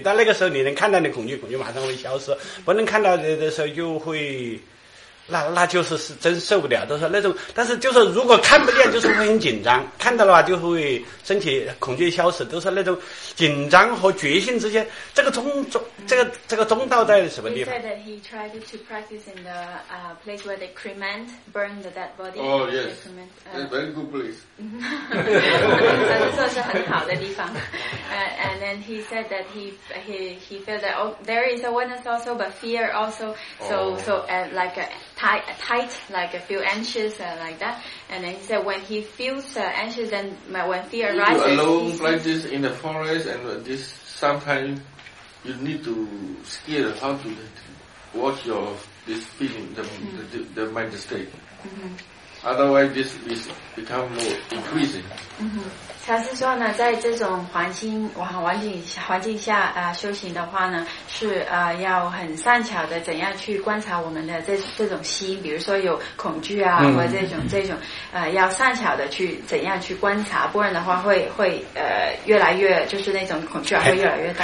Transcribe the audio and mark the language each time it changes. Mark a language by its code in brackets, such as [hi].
[zh] 但那个时候你能看到的恐惧马上会消失。不能看到的时候就会，那就是真受不了。就是那种，但是就是如果看不见，就是会很紧张；看到的话，就会身体恐惧消失。都是那种紧张和决心之间，这个中中道在什么地方？ [en] He said that he tried to practice in the place where they cremate, burn the dead body. Oh yes, that's very good place. [zh] 他说是很好的地方。 [en] And then he said that he felt that there is awareness also, but fear also. Tight, like I feel anxious, like that. And then he said when he feels anxious and when fear arises. You alone, like this in the forest, and this sometimes you need to skill how to watch your this feeling, the mind state. Mm-hmm. Otherwise, this is become more increasing. Mm-hmm. [zh] 他是说呢，在这种环境下修行的话呢，是要很善巧的怎样去观察我们的这种心，比如说有恐惧啊，或者这种要善巧的去怎样去观察，不然的话会越来越就是那种恐惧啊会越来越大，